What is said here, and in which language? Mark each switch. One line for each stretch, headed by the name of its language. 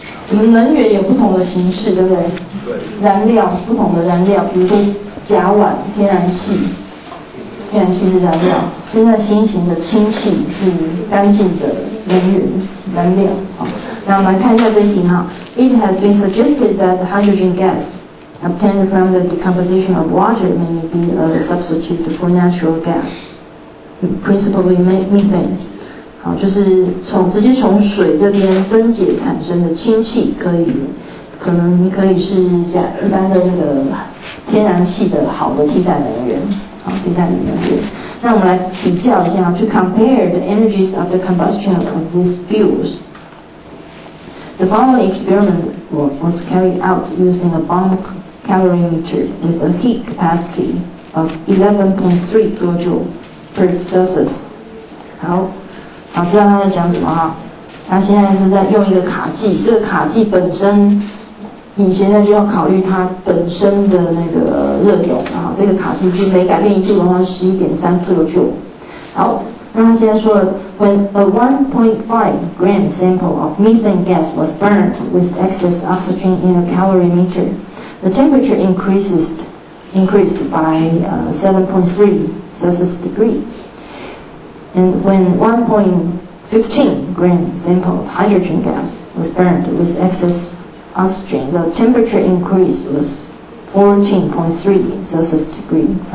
Chinese: 我们能源有不同的形式，对不对？燃料，不同的燃料，比如说甲烷、天然气，天然气是燃料。现在新型的氢气是干净的能源燃料。好，那我们来看一下这一题哈。
English: It has been suggested that hydrogen gas obtained from the decomposition of water may be a substitute for natural gas, principally methane。
Chinese: 好，就是直接从水这边分解产生的氢气可以可能你可以是一般的那个天然气的好的替代能源，好，替代能源。那我们来比较一下
English: ，to compare the energies of the combustion of these fuels. The following experiment was carried out using a bomb calorimeter with a heat capacity of 11.3 kJ per Celsius.
Chinese: 好，好，知道他在讲什么哈？他现在是在用一个卡剂，这个卡剂本身，你现在就要考虑它本身的那个热容啊。这个卡剂是每改变一度的话是 11.3 kJ。好，那他现在说了
English: ，When a 1.5 gram sample of methane gas was burned with excess oxygen in a calorimeter, the temperature increased by 7.3 Celsius degree, and when 1.15 gram sample of hydrogen gas was burned with excess oxygen, the temperature increase was 14.3 Celsius degree.